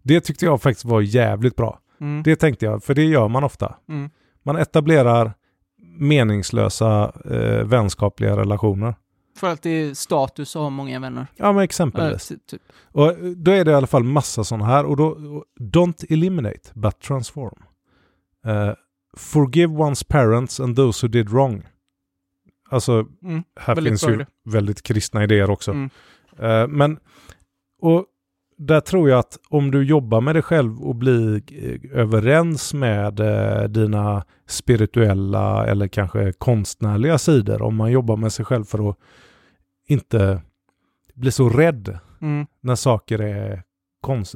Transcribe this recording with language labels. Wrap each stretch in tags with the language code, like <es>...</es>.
<sv>Det tyckte jag faktiskt var jävligt bra. Mm. Det tänkte jag, för det gör man ofta. Mm. Man etablerar meningslösa vänskapliga relationer. För att det är status att ha många vänner. Ja, men exempelvis. Och då är det i alla fall massa sådana här. Och då,</sv> <en>don't eliminate, but transform. Forgive one's parents and those who did wrong.</en> <sv>Alltså, här finns ju väldigt kristna idéer också. Mm. Men, och där tror jag att om du jobbar med dig själv och blir överens med dina spirituella eller kanske konstnärliga sidor, om man jobbar med sig själv för att inte bli så rädd när saker är konst.</sv>